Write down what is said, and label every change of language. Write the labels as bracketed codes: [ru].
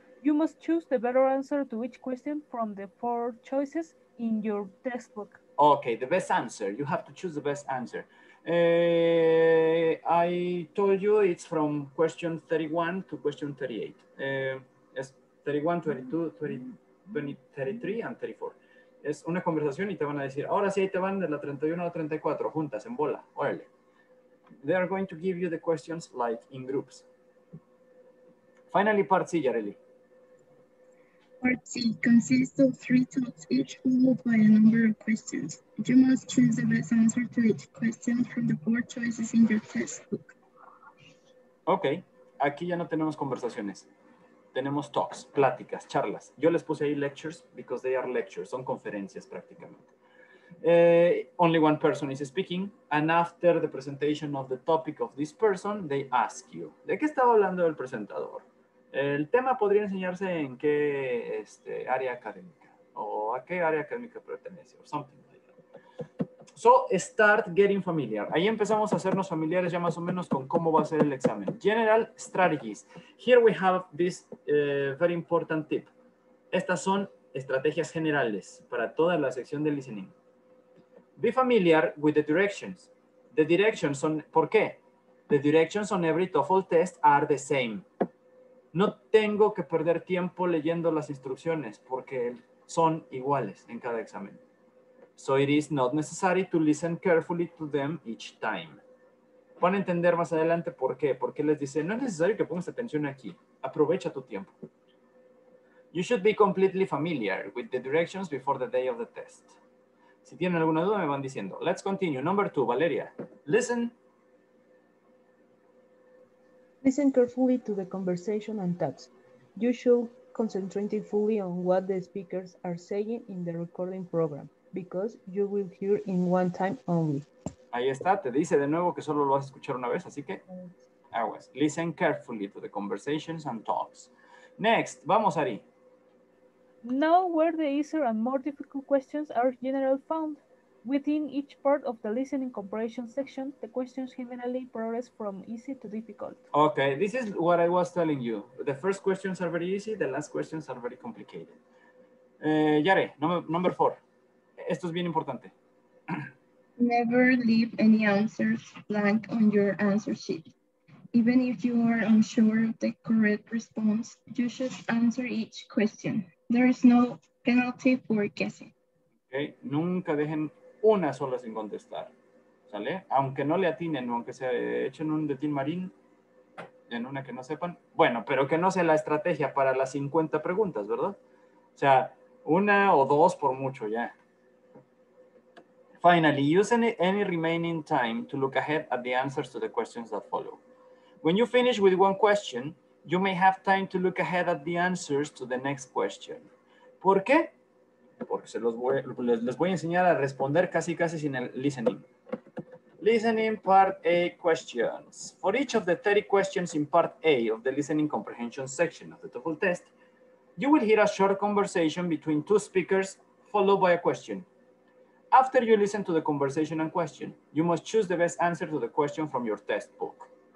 [en] You must choose the better answer to each question from the four choices in your textbook. Okay, the best answer. You have to choose the best answer. I told you it's from question 31 to question 38. [es] Es 31, 22, 33 and 34. Es una conversación y te van a decir, ahora sí, te van de la 31 a la 34, juntas, en bola, órale. [en] They are going to give you the questions like in groups. Finally, part C, Yareli. Part C consists of three talks, each followed by a number of questions. You must choose the best answer to each question from the four choices in your textbook. [es] Okay, aquí ya no tenemos conversaciones. Tenemos talks, pláticas, charlas. Yo les puse ahí lectures [en] because they are lectures, [es] son conferencias prácticamente. [en] Only one person is speaking, and after the presentation of the topic of this person, they ask you. [es] ¿De qué estaba hablando el presentador? ¿El tema podría enseñarse en qué área académica? ¿O a qué área académica pertenece? [en] Or something like that. So, start getting familiar. [es] Ahí empezamos a hacernos familiares ya más o menos con cómo va a ser el examen. [en] General strategies. Here we have this very important tip. [es] Estas son estrategias generales para toda la sección de listening. [en] Be familiar with the directions. The directions on, [es] ¿por qué? [en] The directions on every TOEFL test are the same. [es] No tengo que perder tiempo leyendo las instrucciones porque son iguales en cada examen. [en] So it is not necessary to listen carefully to them each time. [es] Van a entender más adelante por qué. Porque les dice, no es necesario que pongas atención aquí. Aprovecha tu tiempo. [en] You should be completely familiar with the directions before the day of the test. [es] Si tienen alguna duda, me van diciendo. [en] Let's continue. Number two, Valeria. Listen. Listen carefully to the conversation and talks. You should concentrate fully on what the speakers are saying in the recording program, because you will hear in one time only. [es] Ahí está, te dice de nuevo que solo lo vas a escuchar una vez, así que aguas. [en] Listen carefully to the conversations and talks. Next, [es] vamos, [en] Ari. Know where the easier and more difficult questions are generally found. Within each part of the listening comprehension section, the questions generally progress from easy to difficult. Okay, this is what I was telling you. The first questions are very easy, the last questions are very complicated. [es] Yare, [en] number four. [es] Esto es bien importante. [en] Never leave any answers blank on your answer sheet. Even if you are unsure of the correct response, you should answer each question. There is no penalty for guessing. [es] Okay, nunca dejen una sola sin contestar, ¿sale? Aunque no le atinen, aunque se echen un detín marín, en una que no sepan. Bueno, pero que no sea la estrategia para las 50 preguntas, ¿verdad? O sea, una o dos por mucho ya. [en] Finally, use any remaining time to look ahead at the answers to the questions that follow. When you finish with one question, you may have time to look ahead at the answers to the next question. [es] ¿Por qué? Porque les voy a enseñar a responder casi casi sin el listening. [en] Listening Part A questions. For each of the 30 questions in Part A of the listening comprehension section of the TOEFL test, you will hear a short conversation between two speakers followed by a question. After you listen to the conversation and question, you must choose the best answer to the question from your test book.